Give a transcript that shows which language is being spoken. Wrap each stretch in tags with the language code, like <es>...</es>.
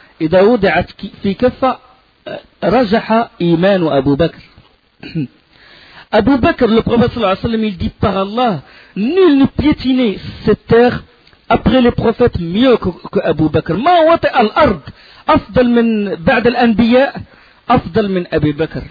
<ar>إذا وضعت في كفة رجح إيمان أبو بكر.</ar> <fr>أبو بكر le prophète</fr> <ar>صلى الله عليه وسلم</ar> <fr>il dit par Allah nul ne piétinait cette terre après les prophètes mieux que Abu Bakr.</fr> <ar>ما وطئ الأرض أفضل من بعد الأنبياء أفضل من أبي بكر.</ar>